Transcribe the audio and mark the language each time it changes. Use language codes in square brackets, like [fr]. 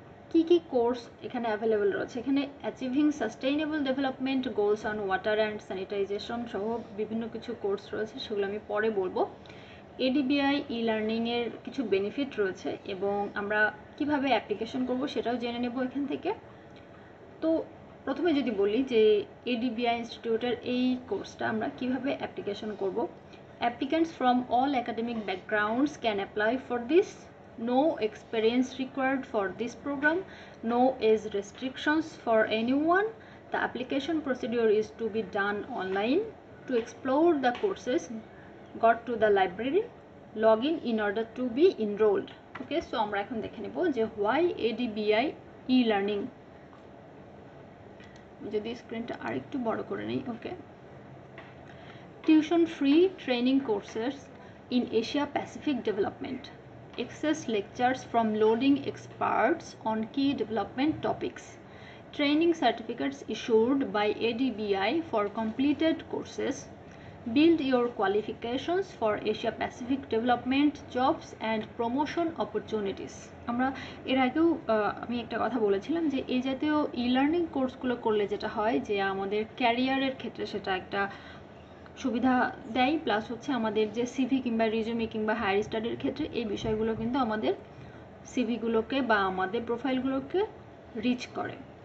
[bn] কী কী course এখানে available রয়েছে? এখানে achieving sustainable development goals on water and sanitisation সহ বিভিন্ন কিছু কোর্স রয়েছে, সেগুলো আমি পরে বলবো। ADBI ই লার্নিংয়ের কিছু বেনিফিট রয়েছে এবং আমরা কীভাবে অ্যাপ্লিকেশন করব সেটাও জেনে নেব এখান থেকে। তো প্রথমে যদি বলি যে ADBI ইনস্টিটিউটের এই কোর্সটা আমরা কীভাবে অ্যাপ্লিকেশন করব। [en] Applicants from all academic backgrounds can apply for this. No experience required for this program. No age restrictions for anyone. The application procedure is to be done online. To explore the courses, go to the library, log in order to be enrolled. Okay, so [bn] আমরা এখন দেখে নেব যে [en] why ADBI e-learning. [bn] যদি স্ক্রিনটা আরেকটু বড় করে নেই, okay. [en] Tuition free training courses in Asia Pacific development. Access lectures from leading experts on key development topics. Training certificates issued by ADBI for completed courses. Build your qualifications for Asia Pacific development jobs and promotion opportunities. [bn] আমরা এর আগেও আমি একটা কথা বলেছিলাম যে এই জাতীয় ই-লার্নিং কোর্সগুলো করলে যেটা হয় যে আমাদের ক্যারিয়ারের ক্ষেত্রে সেটা একটা সুবিধা দেয়, প্লাস হচ্ছে আমাদের যে সিভি কিংবা রিজুমি কিংবা হায়ার স্টাডির ক্ষেত্রে এই বিষয়গুলো কিন্তু আমাদের সিভিগুলোকে বা আমাদের প্রোফাইলগুলোকে রিচ করে।